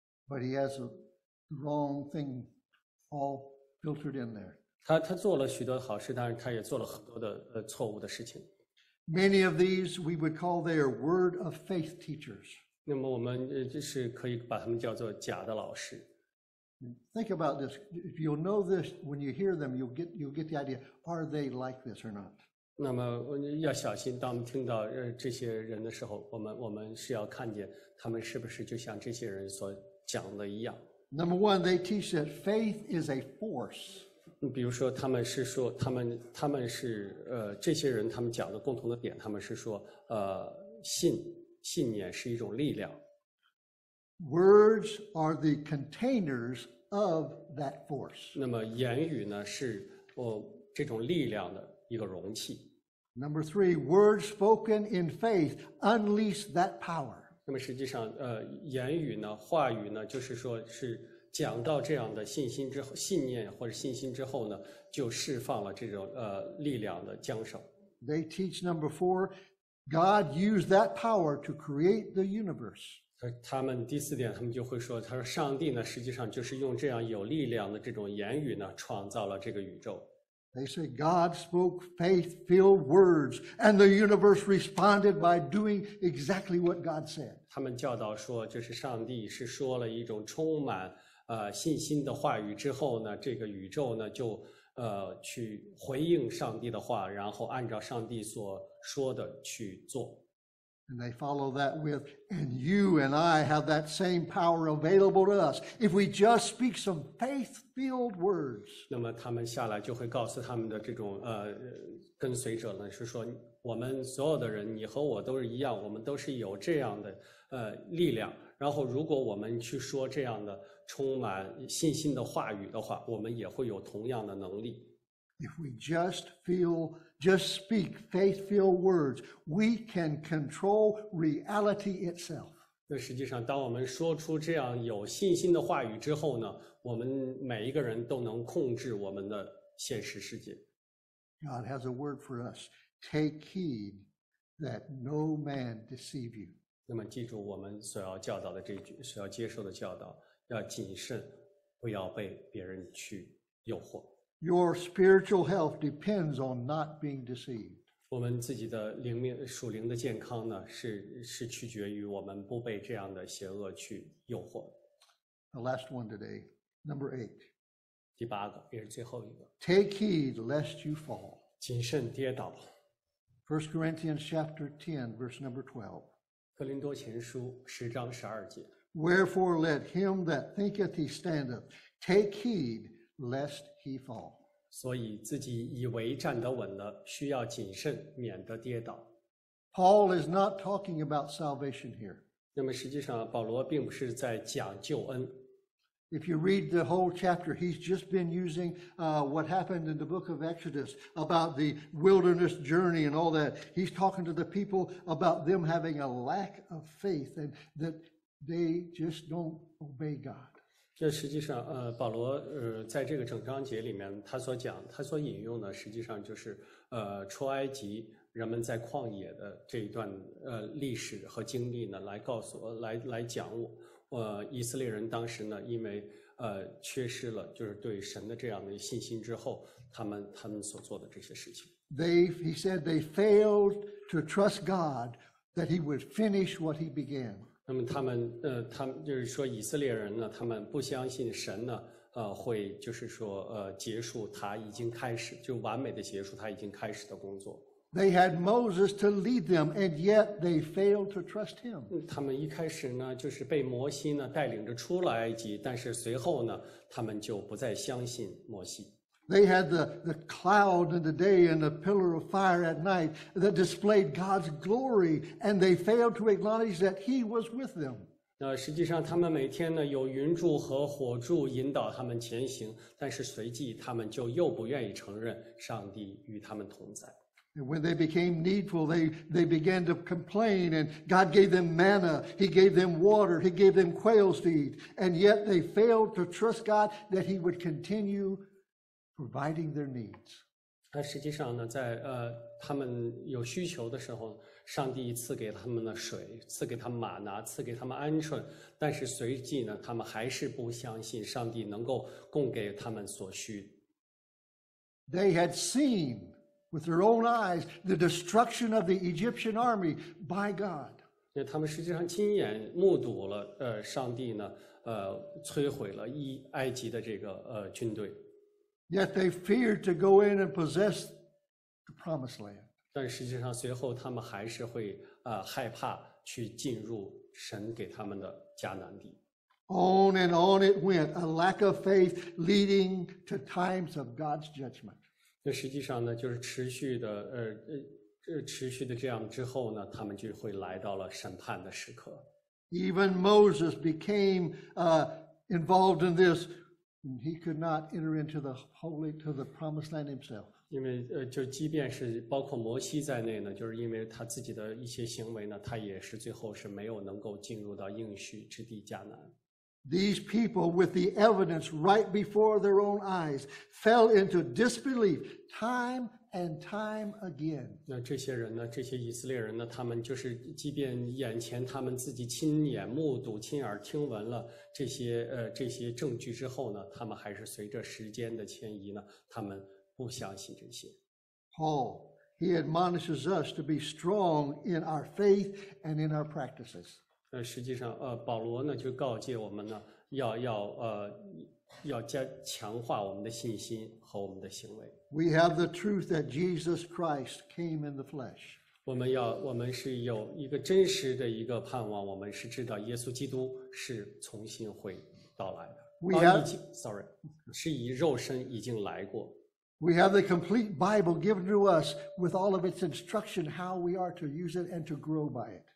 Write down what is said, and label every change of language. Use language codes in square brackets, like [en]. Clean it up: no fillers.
[en] But he has the wrong thing all filtered in there. [zh] 他做了许多好事，但是他也做了很多的错误的事情。 [en] Many of these we would call their word of faith teachers. [zh] 那么我们就是可以把他们叫做假的老师。 [en] Think about this. If you'll know this when you hear them, you'll get the idea. Are they like this or not? [zh] 那么要小心，当我们听到这些人的时候，我们是要看见他们是不是就像这些人所讲的一样。 [en] Number one, they teach that faith is a force. [zh] 比如说，他们是说他们是这些人他们讲的共同的点，他们是说信念是一种力量。 [en] Words are the containers of that force. [zh] 那么言语呢是这种力量的一个容器。 [en] Number three, words spoken in faith unleash that power. [zh] 那么实际上言语呢话语呢就是说是讲到这样的信心之后信念或者信心之后呢就释放了这种力量的缰绳。 [en] They teach number four, God used that power to create the universe. [zh] 他们第四点他们就会说他说上帝呢实际上就是用这样有力量的这种言语呢创造了这个宇宙。 [en] They say God spoke faith-filled words and the universe responded by doing exactly what God said. [zh] 他们教导说就是上帝是说了一种充满信心的话语之后呢这个宇宙呢就去回应上帝的话然后按照上帝所说的去做。 [en] And they follow that with, and you and I have that same power available to us if we just speak some faith-filled words. [zh] 那么他们下来就会告诉他们的这种跟随者呢，是说我们所有的人，你和我都是一样，我们都是有这样的力量。然后如果我们去说这样的充满信心的话语的话，我们也会有同样的能力。 [en] If we just speak faith-filled words, we can control reality itself. [zh] 那实际上，当我们说出这样有信心的话语之后呢，我们每一个人都能控制我们的现实世界。 [en] God has a word for us. Take heed that no man deceive you. [zh] 那么记住我们所要教导的这句，所要接受的教导，要谨慎，不要被别人去诱惑。 [en] Your spiritual health depends on not being deceived. [zh] 我们自己的灵命属灵的健康呢，是取决于我们不被这样的邪恶去诱惑。 [en] The last one today, number eight. [zh] 第八个，也是最后一个。 [en] Take heed lest you fall. [zh] 谨慎跌倒。 [en] First Corinthians chapter 10, verse number 12. [zh] 哥林多前书十章十二节。 [en] Wherefore let him that thinketh he standeth take heed. Lest he fall. [zh] 所以自己以为站得稳了，需要谨慎，免得跌倒。 [en] Paul is not talking about salvation here. [zh] 那么实际上，保罗并不是在讲救恩。 [en] If you read the whole chapter, he's just been using what happened in the book of Exodus about the wilderness journey and all that. He's talking to the people about them having a lack of faith and that they just don't obey God. [zh] 这实际上保罗在这个整章节里面他所引用的实际上就是出埃及人们在旷野的这一段历史和经历呢来讲以色列人当时呢因为缺失了就是对神的这样的信心之后他们所做的这些事情。 [en] He said they failed to trust God that he would finish what he began. [zh] 那么他们就是说以色列人呢，他们不相信神呢，会就是说结束他已经开始就完美的结束他已经开始的工作。 [en] They had Moses to lead them, and yet they failed to trust him. [zh] 他们一开始呢，就是被摩西呢带领着出了埃及，但是随后呢，他们就不再相信摩西。 [en] They had the cloud in the day and the pillar of fire at night that displayed God's glory, and they failed to acknowledge that He was with them. [zh] 实际上他们每天呢有云柱和火柱引导他们前行，但是随即他们就又不愿意承认上帝与他们同在。 [en] When they became needful, they began to complain, and God gave them manna, He gave them water, He gave them quails to eat, and yet they failed to trust God that He would continue. Providing their needs. [zh] 但实际上呢，在他们有需求的时候，上帝赐给他们的水，赐给他们玛拿，赐给他们鹌鹑。但是随即呢，他们还是不相信上帝能够供给他们所需。 [en] They had seen with their own eyes the destruction of the Egyptian army by God. [zh] 那他们实际上亲眼目睹了，上帝呢，摧毁了埃及的这个军队。 [en] Yet they feared to go in and possess the promised land. [zh] 但实际上随后他们还是会害怕去进入神给他们的迦南地。 [en] On and on it went, a lack of faith leading to times of God's judgment. [zh] 那实际上呢，就是持续的持续的这样之后呢，他们就会来到了审判的时刻。 [en] Even Moses became involved in this, and he could not enter into the holy to the promised land himself. [zh] 因为就即便是包括摩西在内呢，就是因为他自己的一些行为呢，他也是最后是没有能够进入到应许之地迦南。 [en] These people, with the evidence right before their own eyes, fell into disbelief time and time again. [zh] 那这些人呢？这些以色列人呢？他们就是，即便眼前他们自己亲眼目睹、亲耳听闻了这些这些证据之后呢，他们还是随着时间的迁移呢，他们不相信这些。 [en] Paul, he admonishes us to be strong in our faith and in our practices. [zh] 实际上保罗呢就告诫我们呢要加强化我们的信心和我们的行为。 [en] We have the truth that Jesus Christ came in the flesh. [zh] 我们是有一个真实的一个盼望，我们是知道耶稣基督是重新会到来的。是以肉身已经来过。 [en] We have the complete Bible given to us with all of its instruction how we are to use it and to grow by it.